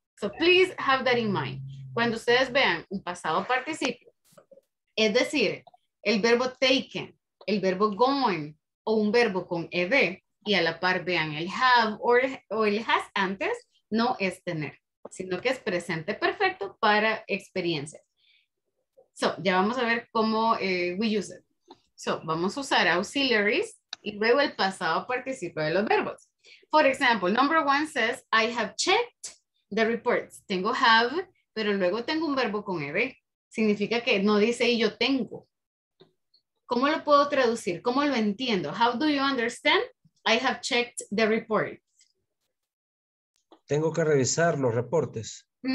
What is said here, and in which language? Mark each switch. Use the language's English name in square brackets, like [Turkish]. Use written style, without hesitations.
[English] So please have that in mind. [Spanish] Cuando ustedes vean un pasado participio, es decir, el verbo taken, el verbo going, o un verbo con ed, y a la par vean el have o el has antes, no es tener, sino que es presente perfecto para experiencias. So, ya vamos a ver cómo [English] we use it. [Spanish] So, vamos a usar auxiliaries y luego el pasado participio de los verbos. [English] For example, number one says, I have checked the reports. [Spanish] Tengo have, pero luego tengo un verbo con ed. Significa que no dice y yo tengo. ¿Cómo lo puedo traducir? ¿Cómo lo entiendo? [English] How do you understand? I have checked the reports. [Spanish] Tengo que revisar los reportes.